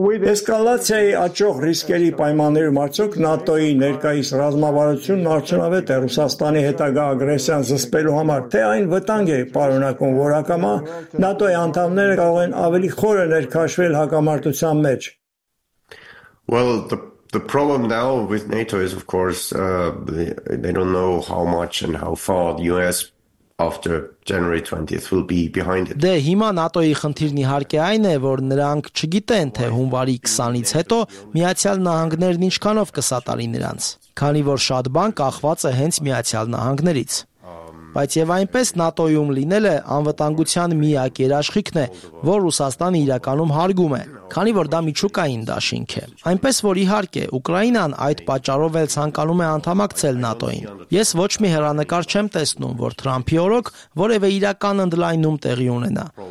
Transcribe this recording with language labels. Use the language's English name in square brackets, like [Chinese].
[Armenian] Էսկալացիայի աճող ռիսկերի պայմաններում արդյոք ՆԱՏՕ-ի ներկայիս ռազմավարությունն արդյունավետ է Ռուսաստանի հետագա ագրեսիան զսպելու համար, թե այն վտանգ է պարունակում, որ ակամա ՆԱՏՕ-ի անդամները կարող են ավելի խորը ներքաշվել հակամարտության մեջ։ [English] The problem now with NATO is, of course, they don't know how much and how far the US after January 20th will be behind it. [Armenian] Դե հիմա ՆԱՏՕ-ի խնդիրն իհարկե այն է, որ նրանք չգիտեն, թե հունվարի 20-ից հետո Միացյալ Նահանգներն ինչքանով կսատարի նրանց, քանի որ շատ բան կախված է հենց Միացյալ Նահանգներից։ Բայց եւ այնպես ՆԱՏՕ-ում լինելը անվտանգության միակ երաշխիքն է, որ Ռուսաստանը իրականում հարգում է, քանի որ դա միջուկային դաշինք է։ Այնպես որ իհարկե Ուկրաինան այդ պատճառով էլ ցանկանում է անդամակցել ՆԱՏՕ-ին։ Ես ոչ մի հեռանկար չեմ տեսնում, որ Թրամփի օրոք որևէ իրական ընդլայնում տեղի ունենա,